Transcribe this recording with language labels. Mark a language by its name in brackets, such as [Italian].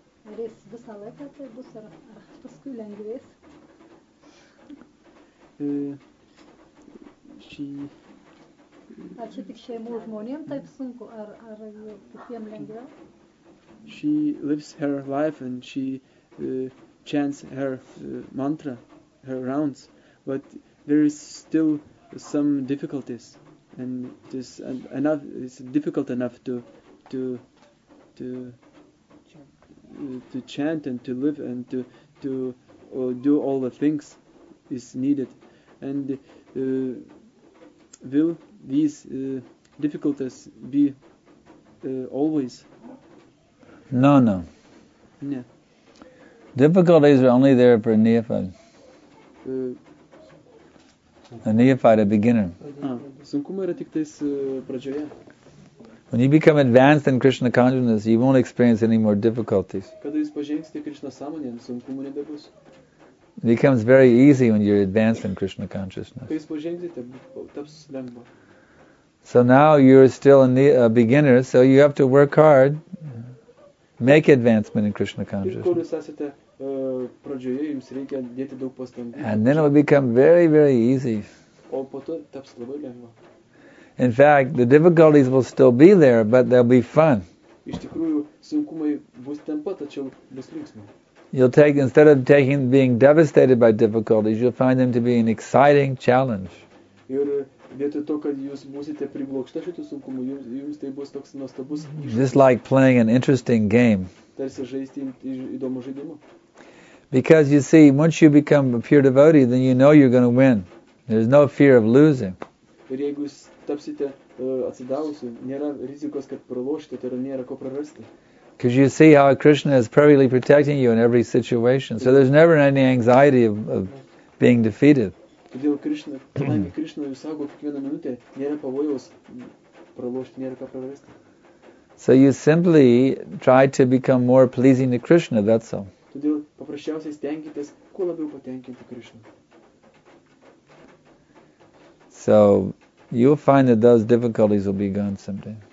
[Lithuanian] Ar jis visą laiką tai bus, ar paskui lengvės? Ar čia tik šeimų žmonėm taip sunku, ar kitiem lengviau? [English] She lives her life and she chants her mantra, her rounds, but there is still some difficulties, and it's difficult enough to to chant and to live and to do all the things is needed. And will these difficulties be always? No. Yeah. Difficulties are only there for a neophyte. A neophyte, a beginner. [Lithuanian] Sunkumai yra tik tais pradžioje. [English] When you become advanced in Krishna consciousness, you won't experience any more difficulties. [Lithuanian] Kada jūs pažengsite Krishna sąmonėje, sunkumų nebebus. [English] It becomes very easy when you're advanced in Krishna consciousness. [Lithuanian] Kai jūs pažengsite, taps lengva. [English] So now you're still a beginner, so you have to work hard, make advancement in Krishna consciousness. [Lithuanian] Pradžioje jums reikia dėti daug pastangų. [English] And then it will become very, very easy. [Lithuanian] O po to taps labai lengva. [English] In fact, the difficulties will still be there, but they'll be fun. [Lithuanian] Iš tikrųjų, sunkumai bus ten pat, tačiau bus linksmai. [English] You'll take, instead of taking, being devastated by difficulties, you'll find them to be an exciting challenge. [Lithuanian] Ir vietoj to, kad jūs būsite priblokšta šitų sunkumų, jums tai bus toks nuostabus. [English] Just like playing an interesting game. [Lithuanian] Tarsi žaisti įdomų žaidimą. [English] Because you see, once you become a pure devotee, then you know you're going to win. There's no fear of losing. [Lithuanian] Ir jeigu jūs tapsite atsidavusiu, nėra rizikos, kad pralošite, tai yra nėra ko prarasti. [English] Because you see how Krishna is perfectly protecting you in every situation. So there's never any anxiety of being defeated. [Lithuanian] Todėl Krishna jūs sako kiekvieną minutę, nėra pavojaus pralošti, nėra ko prarasti. [English] So you simply try to become more pleasing to Krishna, that's all. [Lithuanian] Todėl paprasčiausiai stengitės, kuo labiau patenkinti Krishna. [English] So you'll find that those difficulties will be gone someday.